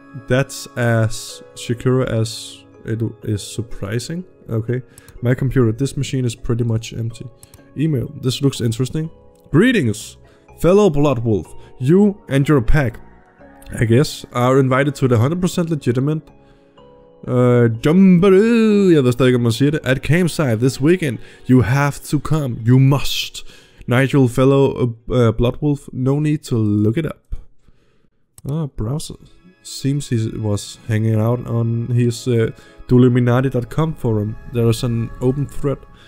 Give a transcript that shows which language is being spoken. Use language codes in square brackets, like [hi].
[en] That's as... Shakura as... It is surprising. Okay. My computer. This machine is pretty much empty. Email. This looks interesting. Greetings, fellow Blood Wolf. You and your pack, I guess, are invited to the 100% legitimate... [da] Jumbaru, jeg ved stadig ikke, om man siger det. [en] At campsite this weekend, you have to come. You must. Nigel, fellow Bloodwolf, no need to look it up. Ah, browser. Seems he was hanging out on his Duluminati.com forum. There is an open thread.